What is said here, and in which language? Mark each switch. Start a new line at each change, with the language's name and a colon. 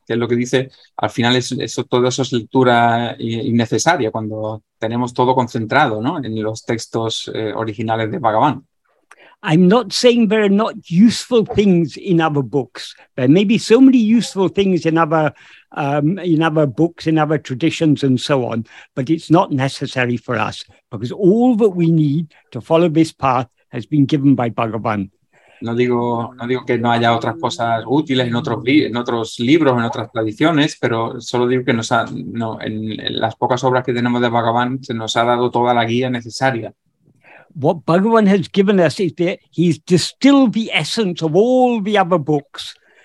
Spanish: Que es lo que dice, al final eso es lectura innecesaria cuando tenemos todo concentrado, ¿no?, en los textos originales de Bhagavan.
English: I'm not saying there are not useful things in other books. There may be so many useful things in other books, in other traditions, and so on, but it's not necessary for us, because all that we need to follow this path has been given by Bhagavan.
Spanish: No digo que no haya otras cosas útiles en otros libros, en otras tradiciones, pero solo digo que en las pocas obras que tenemos de Bhagavan se nos ha dado toda la guía necesaria.
English: What Bhagavan has given us is that he's distilled the essence of all the other books.